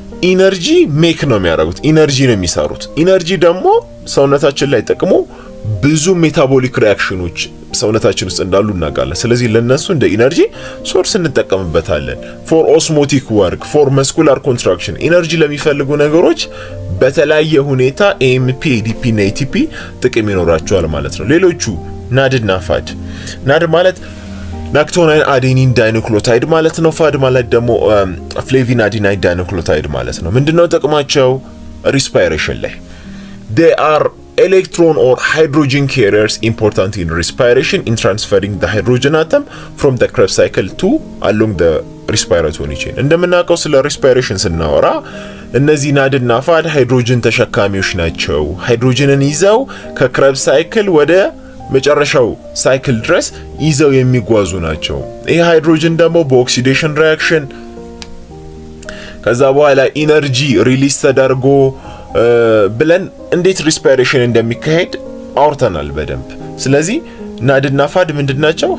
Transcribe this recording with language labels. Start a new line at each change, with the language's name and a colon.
Amharic: energy make ነው የሚያደርጉት energy ነው የሚሰሩት። energy ደግሞ ሰውነታችን ላይ ተቀሙ ብዙ metabolic reactions ሰውነታችን ውስጥ እንዳሉ እናጋለን። ስለዚህ ለነሱ እንደ energy source እንጠቀምበታለን።
English: for osmotic work, for muscular contraction
Amharic: energy ለሚፈልጉ ነገሮች በተለያየ ሁኔታ AMP, ADP እና ATP ጥቅም ይኖራቸዋል ማለት ነው። ሌሎቹ ናድ እና ፋድ። ናድ ማለት ናክቶናይን አዴኒን ዳይኑክሎታይድ ማለት ነው። ፋድ ማለት ደግሞ ፍሌቪን አዴናይን ዳይኑክሎታይድ ማለት ነው። ምንድነው ጥቅማቸው?
English: ሪስፓይሬሽን ላይ they are electron or hydrogen carriers important in respiration in transferring the hydrogen atom from the Krebs cycle to along the respiratory chain.
Amharic: እንደምናውቀው ስለ respiration ስናወራ እነዚህ ናድ እና ፋድ ሃይድሮጅን ተሸካሚዎች ናቸው። ሃይድሮጅንን ይዘው ከክረብ ሳይክል ወደ መጨረሻው ሳይክል ድረስ ይዘው የሚጓዙ ናቸው። ይሄ ሃይድሮጅን ደግሞ በኦክሲዴሽን ሪአክሽን ከዛ በኋላ ኢነርጂ ሪሊስ ተደርጎ ብለን እንዴት ሪስፓይሬሽን እንደሚካሄድ አውርተናል በደንብ። ስለዚህ ናድ እና ፋድ ምንድናቸው?